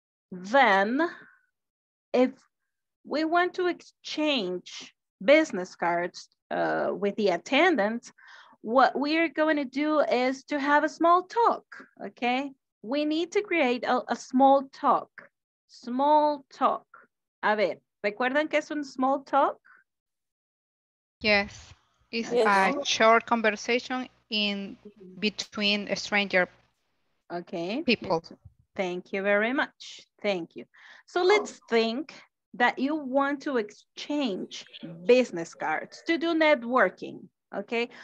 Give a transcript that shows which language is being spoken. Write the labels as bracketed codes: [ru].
[en] Then if we want to exchange business cards with the attendants, what we are going to do is to have a small talk, okay? We need to create a small talk. Small talk. [es] A ver, ¿recuerdan qué es un small talk? [en] Yes. It's a short conversation in between a stranger okay. people. Thank you very much. Thank you. So let's think that you want to exchange business cards to do networking, okay?